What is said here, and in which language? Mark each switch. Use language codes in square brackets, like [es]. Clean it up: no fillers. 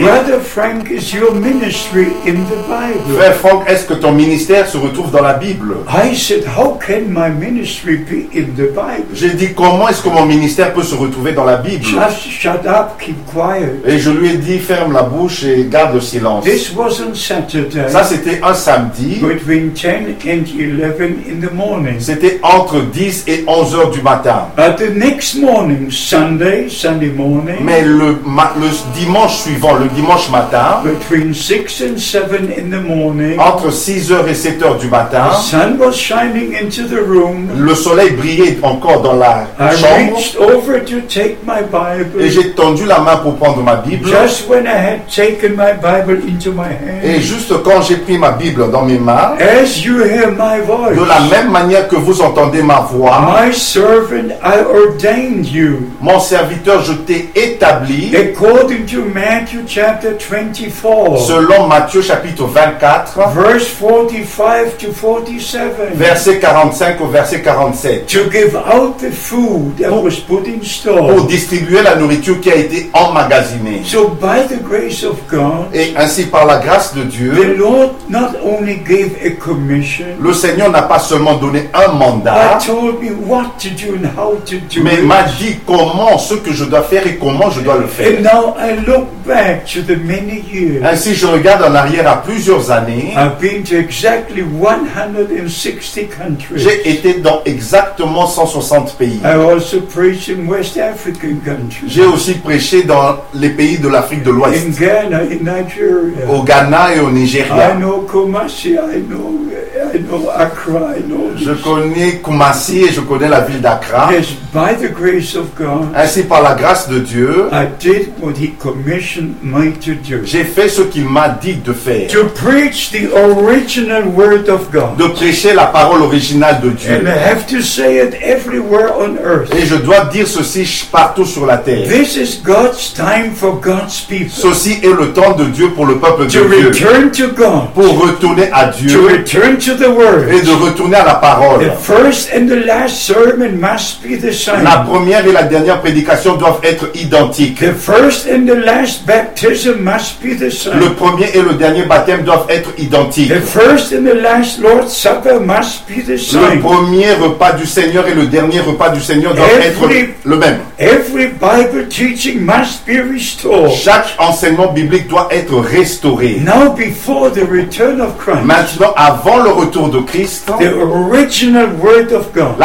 [en] brother Frank, is your ministry in the Bible? [fr] Frère Frank, est-ce que ton ministère se retrouve dans la Bible? [en] I said, how can my ministry be in the Bible? [fr] J'ai dit, comment est-ce que mon ministère peut se retrouver dans la Bible? [en] Just shut up, keep quiet. [fr] Et je lui ai dit, ferme la bouche et garde le silence. [en] This was on Saturday, [fr] ça c'était un samedi, [en] between 10 and 11 in the morning. [fr] C'était entre 10 et 11 heures du matin. [en] But the next morning, Sunday morning, [fr] mais le dimanche suivant, le dimanche matin, [en] between 6 and 7 in the morning, [fr] entre 6 heures et 7 heures du matin, [en] the sun was shining into the room, [fr] le soleil brillait encore dans la chambre, [en] I reached over to take my Bible, [fr] et j'ai tendu la main pour prendre ma Bible. [en] Just when I had taken my Bible into my hand, [fr] et juste quand j'ai pris ma Bible dans mes mains, [en] as you hear my voice, [fr] de la même manière que vous entendez ma voix, [en] my servant, I ordained you, [fr] mon serviteur, je t'ai établi, [en] according to Matthew chapter 24, [fr] selon Matthieu chapitre 24, [en] verse 45 to 47, [fr] verset 45 au verset 47, [en] to give out the food that was put in store, [fr] pour distribuer la nourriture qui a été emmagasinée. [en] So by the grace of God, [fr] et ainsi par la grâce de Dieu, [en] the Lord not only gave a commission, [fr] le Seigneur n'a pas seulement donné un mandat, [en] told me what to do and how to do, [fr] mais [en] it [fr] m'a dit comment, ce que je dois faire et comment je dois le faire. [en] And now I look back to the many years, [fr] ainsi je regarde en arrière à plusieurs années. [en] I've been to exactly 160 countries. [fr] J'ai été dans exactement 160 pays. [en] I also preach in West African countries. [fr] J'ai aussi prêché dans les pays de l'Afrique de l'Ouest, [en] in Ghana, in Nigeria, [fr] au Ghana et au Nigeria. [en] I know Kumasi, I know Accra. [fr] Je connais Kumasi et je connais la ville d'Accra. [en] Yes, by the grace of God, [fr] ainsi par la grâce de Dieu, [en] I did what he commissioned me to do. [fr] J'ai fait ce qu'il m'a dit de faire. [en] To preach the original word of God. [fr] De prêcher la parole originale de Dieu. [en] And I have to say it everywhere on earth. [fr] Et je dois dire ceci partout sur la terre. [en] This is God's time for God's people. [fr] Ceci est le temps de Dieu pour le peuple de Dieu. [en] To return to God. [fr] Pour retourner à Dieu. [en] To return to the word. [fr] Et de retourner à la parole. [en] The first and the last sermon must be the same. [fr] La première et la dernière prédication doivent être identiques. [en] The first and the last baptism must be the same. [fr] Le premier et le dernier baptême doivent être identiques. [en] The first and the last Lord's Supper must be the same. [fr] Le premier repas du Seigneur et le dernier repas du Seigneur doivent être le même. [en] Every Bible teaching must be restored. [fr] Chaque enseignement biblique doit être restauré. [en] Now before the return of Christ. [fr] Maintenant avant le retour de Christ. [en] The original word of God.